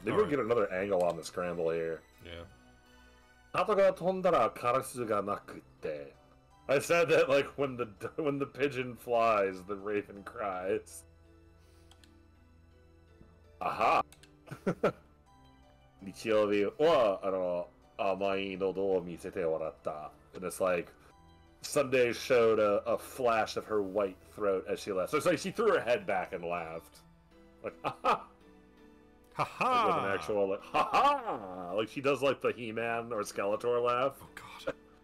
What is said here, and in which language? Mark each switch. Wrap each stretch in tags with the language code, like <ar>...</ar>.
<en>Maybe we'll get another angle on the scramble here. Yeah.</en> <ja>Hato ga tondara karasu ga nakute.</ja> <en>I said that like when the pigeon flies, the raven cries. Aha!</en> <ja>日曜日はあの甘いのどを見せて笑った。</ja> <en>And it's like Sunday showed a flash of her white throat as she left. So it's like she threw her head back and laughed. Like, ha-ha! Ha-ha! Like, with an actual, like, ha-ha! Like, she does, like, the He-Man or Skeletor laugh. Oh, God.</en>